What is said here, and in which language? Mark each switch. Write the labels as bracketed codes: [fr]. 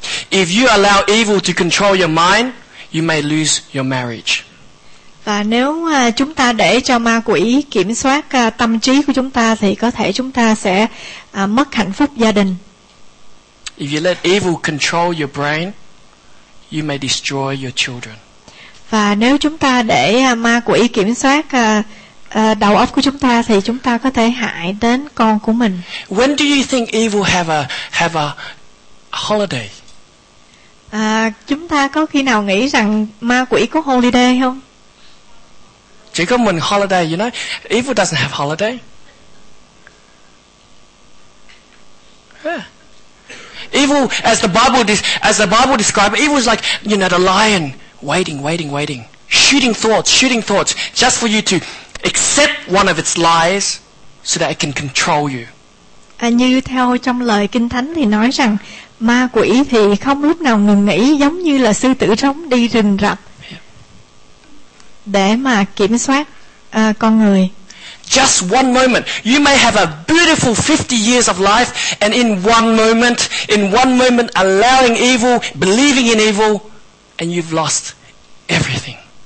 [en] If you allow evil to control your mind, you may lose your marriage. [vi] Và nếu chúng ta để cho ma quỷ kiểm soát tâm trí của chúng ta thì có thể chúng ta sẽ mất hạnh phúc gia đình. [en] If you let evil control your brain, you may destroy your children. [vi] Và nếu chúng ta để ma quỷ kiểm soát đầu óc của chúng ta thì chúng ta có thể hại đến con của mình. [en] When do you think evil have a holiday? [vi] Chúng ta có khi nào nghĩ rằng ma quỷ có holiday không? Chỉ có mình [en] holiday, you know. Evil doesn't have holiday. Yeah. Evil, as the Bible describes, evil is like, you know, the lion waiting, shooting thoughts, just for you to accept one of its lies, so that it can control you. [vi] Như theo trong lời Kinh Thánh thì nói rằng ma quỷ thì không lúc nào ngừng nghỉ, giống như là sư tử trống đi rình rập để mà kiểm soát con người. [en] Just one moment. You may have a beautiful 50 years of life, and in one moment allowing evil, believing in evil, and you've lost everything.